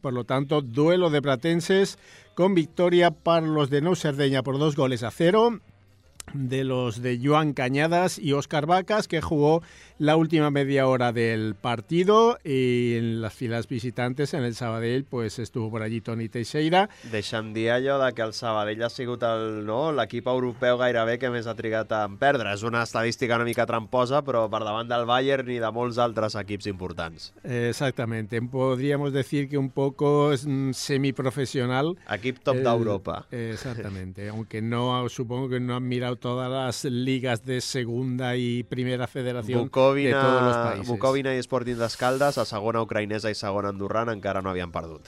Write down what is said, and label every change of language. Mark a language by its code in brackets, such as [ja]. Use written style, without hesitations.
[es] Por lo tanto, duelo de platenses con victoria para los de Nou Cerdeña por 2-0. De los de Joan Cañadas y Óscar Vacas, que jugó la última media hora del partido. Y en las filas visitantes, en el Sabadell, pues estuvo por allí Toni Teixeira. [ca] Deixa'm dir allò de que el Sabadell ha sigut el, no, l'equip europeu gairebé que més ha trigat a perdre. És una estadística una mica tramposa, però per davant del Bayern i de molts altres equips importants. [es] Exactamente. Podríamos decir que un poco semiprofesional. [ca] Equip top d'Europa. [es] Exactamente. Aunque no, supongo que no han mirado todas las ligas de segunda y primera federación Bukovina, de todos los países. [ca] Bukovina y Sporting de Escaldas, a segona ucraïnesa y segona andorrana, encara no habían perdut.